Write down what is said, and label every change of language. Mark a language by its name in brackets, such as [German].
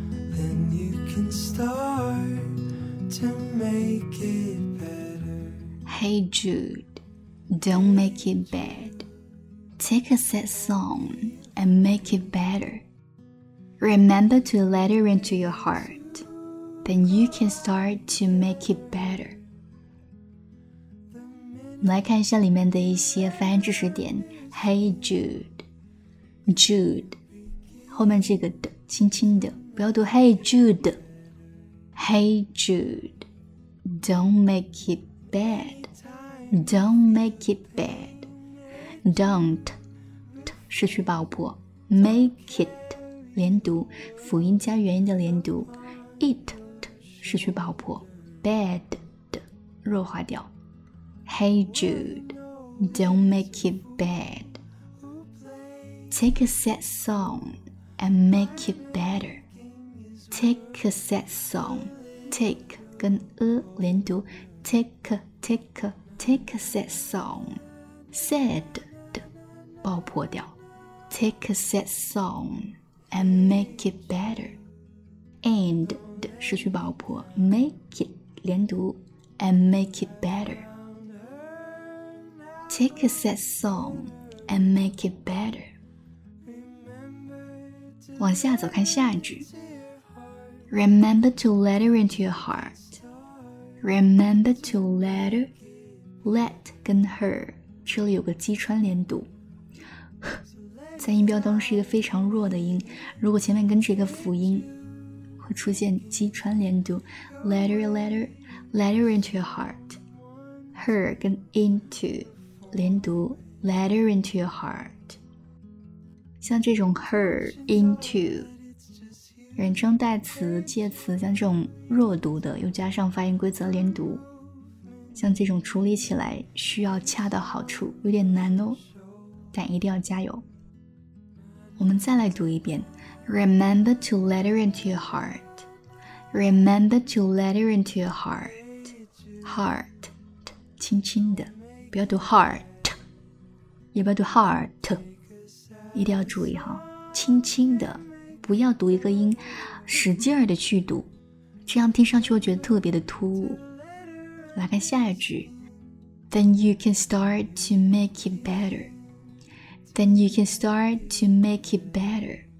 [English] Then you can start to make it better. Hey Jude, don't make it bad. Take a sad song and make it better. Remember to let it into your heart. Then you can start to make it better. [Chinese] 来看一下里面的一些发音知识点。 [English] Hey Jude. Jude. [Chinese] 后面这个的轻轻的不要读 [English] Hey Jude. Hey Jude. Don't make it bad. Don't make it bad. Don't. [Chinese] T 失去爆破。 [English] Make it. [Chinese] 连读，辅音加元音的连读 ，it 失去爆破 ，bad 的弱化掉。 [English] Hey Jude, don't make it bad. Take a sad song and make it better. Take a sad song. Take [Chinese] 跟连读 [English] ，take a sad song. Sad [Chinese] 的爆破掉 [English] ，take a sad song. And make it better. And [Chinese] 的失去爆破 [English] make it [Chinese] 连读 [English] and make it better. Take a sad song and make it better. [Chinese] 往下走，看下一句。 [English] Remember to let her into your heart. Remember to let her. [Chinese] Let 跟 her 这里有个击穿连读。在音标当中是一个非常弱的音，如果前面跟着一个辅音会出现击穿连读 [English] letter into your heart. Her [Chinese] 跟 [English] into [Chinese] 连读 [English] letter into your heart. [Chinese] 像这种 her into 人称代词介词，像这种弱读的又加上发音规则连读，像这种处理起来需要恰到好处，有点难哦，但一定要加油。我们再来读一遍 [English] Remember to let her into your heart. Remember to let her into your heart. [Chinese] Heart 轻轻的不要读 heart， 也不要读 heart， 一定要注意哈，轻轻的不要读一个音使劲儿的去读，这样听上去会觉得特别的突兀。来看下一句。 [English] Then you can start to make it betterThen you can start to make it better.